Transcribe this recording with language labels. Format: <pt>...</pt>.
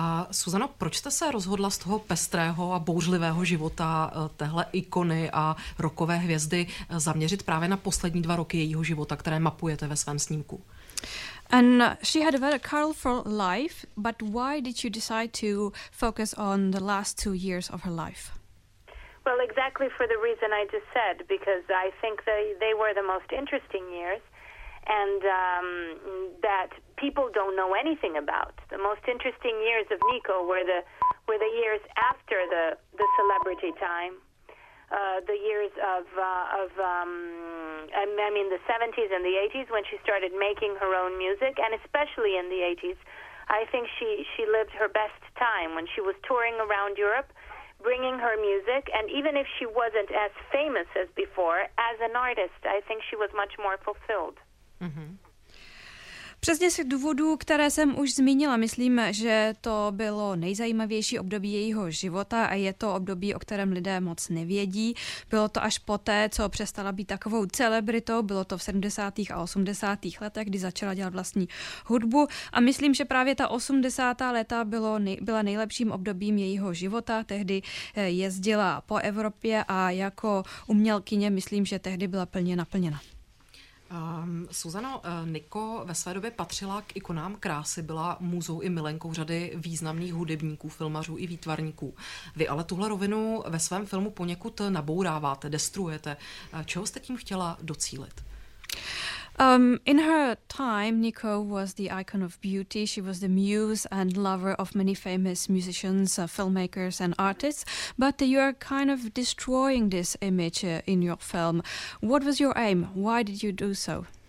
<cs>Susano, proč jste se rozhodla z toho pestrého a bouřlivého života téhle ikony a rockové hvězdy zaměřit právě na poslední 2 roky jejího života, které mapujete ve svém snímku?</cs> <en>And she had a very colorful life, but why did you decide to focus on the last 2 years of her life? Well, exactly for the reason I just said, because I think they were the most interesting years, and that people don't know anything about. The most interesting years of Nico were the years after the celebrity time. The years of the 70s and the 80s when she started making her own music, and especially in the 80s, I think she lived her best time when she was touring around Europe, bringing her music, and even if she wasn't as famous as before, as an artist, I think she was much more fulfilled. Mm-hmm.</en> <cs>Přesně z důvodů, které jsem už zmínila, myslím, že to bylo nejzajímavější období jejího života a je to období, o kterém lidé moc nevědí. Bylo to až poté, co přestala být takovou celebritou, bylo to v 70. a 80. letech, kdy začala dělat vlastní hudbu a myslím, že právě ta 80. léta byla nejlepším obdobím jejího života. Tehdy jezdila po Evropě a jako umělkyně myslím, že tehdy byla plně naplněna. Suzano, Nico ve své době patřila k ikonám krásy, byla muzou i milenkou řady významných hudebníků, filmařů i výtvarníků. Vy ale tuhle rovinu ve svém filmu poněkud nabouráváte, destruujete. Čeho jste tím chtěla docílit?</cs> <en>In her time, Nico was the icon of beauty. She was the muse and lover of many famous musicians, filmmakers and artists. But you are kind of destroying this image in your film. What was your aim? Why did you do so?</en>